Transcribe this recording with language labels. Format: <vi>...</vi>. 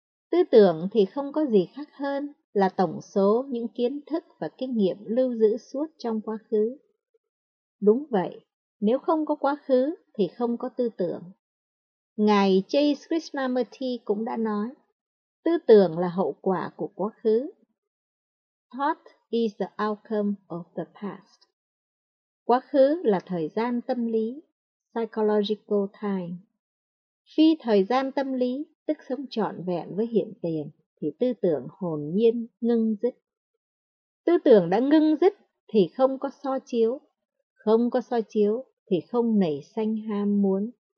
<vi>Tư tưởng thì không có gì khác hơn là tổng số những kiến thức và kinh nghiệm lưu giữ suốt trong quá khứ. Đúng vậy, nếu không có quá khứ thì không có tư tưởng. Ngài Jay Krishnamurti cũng đã nói, tư tưởng là hậu quả của quá khứ.</vi> <en>Thought is the outcome of the past.</en> <vi>Quá khứ là thời gian tâm lý,</vi> <en>psychological time.</en> <vi>Phi thời gian tâm lý, tức sống trọn vẹn với hiện tiền, thì tư tưởng hồn nhiên ngưng dứt. Tư tưởng đã ngưng dứt thì không có so chiếu. Không có so chiếu thì không nảy sanh ham muốn.</vi>